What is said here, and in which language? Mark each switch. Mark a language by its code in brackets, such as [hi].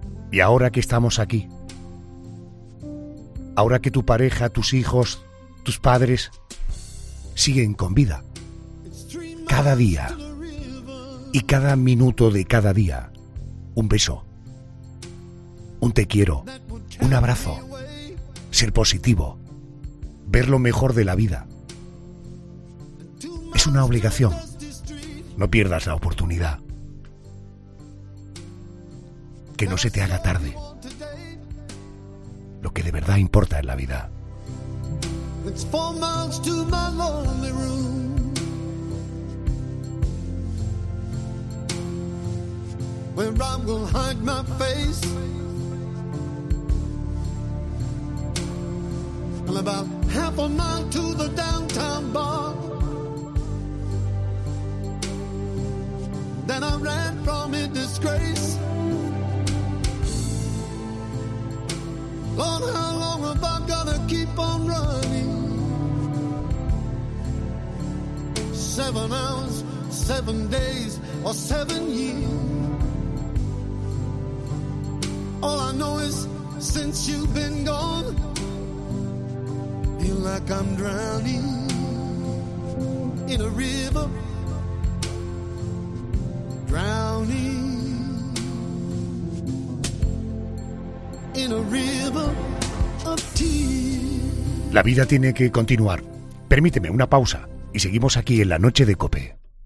[es] Y ahora que estamos aquí, ahora que tu pareja, tus hijos, tus padres siguen con vida, cada día y cada minuto de cada día, un beso, un te quiero, un abrazo, ser positivo, ver lo mejor de la vida, es una obligación. No pierdas la oportunidad. Que no se te haga tarde. Lo que de verdad importa en la vida. [en] It's 4 miles to my lonely room. Where I will hide my face. And about 1/2 mile to the downtown bar. Then I ran from in disgrace. Lord, how long have I got to keep on running? 7 hours, 7 days, or 7 years. All I know is since you've been gone, feel like I'm drowning. in a river, drowning in a river of tears. [es] La vida tiene que continuar. Permíteme una pausa y seguimos aquí en la noche de COPE.